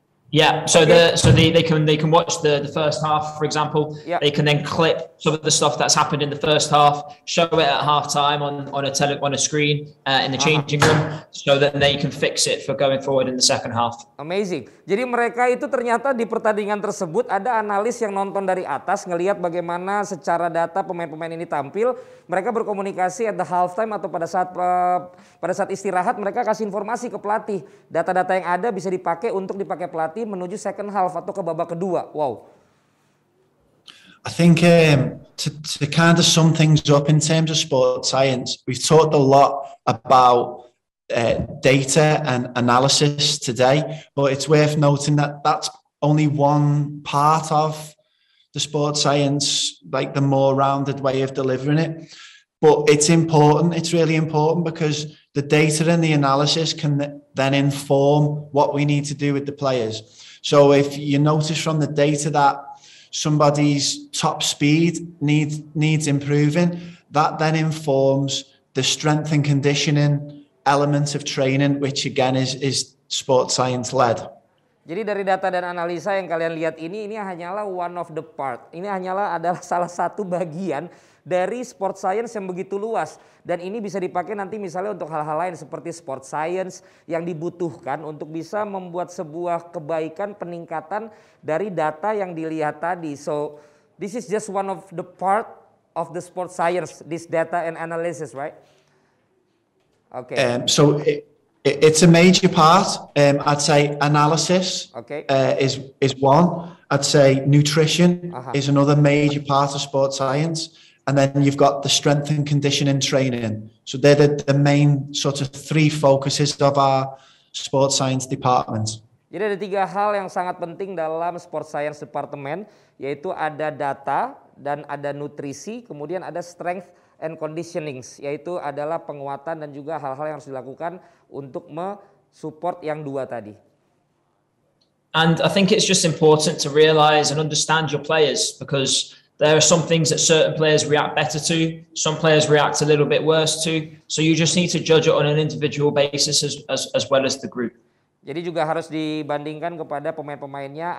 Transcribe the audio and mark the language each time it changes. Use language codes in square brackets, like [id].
[en] Yeah. So they can watch the first half, for example. Yeah. They can then clip some of the stuff that's happened in the first half, show it at halftime on a screen in the changing room, so that they can fix it for going forward in the second half. Amazing. [id] Jadi mereka itu ternyata di pertandingan tersebut ada analis yang nonton dari atas ngelihat bagaimana secara data pemain-pemain ini tampil. Mereka berkomunikasi [en] at the halftime [id] atau pada saat istirahat mereka kasih informasi ke pelatih. Data-data yang ada bisa dipakai pelatih menuju second half atau ke babak kedua. [en] Wow. I think to kind of sum things up in terms of sports science, we've talked a lot about data and analysis today, but it's worth noting that that's only one part of the sports science, like the more rounded way of delivering it. But it's important, it's really important because the data and the analysis can then inform what we need to do with the players. So if you notice from the data that somebody's top speed needs improving, that then informs the strength and conditioning elements of training, which again is sports science led. [id] Jadi dari data dan analisa yang kalian lihat ini hanyalah [en] one of the part. [id] Ini hanyalah adalah salah satu bagian dari sport science yang begitu luas. Dan ini bisa dipakai nanti misalnya untuk hal-hal lain seperti sport science yang dibutuhkan untuk bisa membuat sebuah kebaikan peningkatan dari data yang dilihat tadi. [en] So this is just one of the part of the sport science, this data and analysis, right? Okay. It's a major part. I'd say analysis is one. I'd say nutrition is another major part of sports science. And then you've got the strength and conditioning training. So they're the main sort of three focuses of our sports science department. [id] Jadi ada tiga hal yang sangat penting dalam sports science department, yaitu ada data dan ada nutrisi, kemudian ada strength and conditioning, yaitu adalah penguatan dan juga hal-hal yang harus dilakukan untuk me-support yang dua tadi. [en] And I think it's just important to realize and understand your players, because there are some things that certain players react better to, some players react a little bit worse to. So you just need to judge it on an individual basis as well as the group. [id] Jadi juga harus dibandingkan kepada pemain-pemainnya.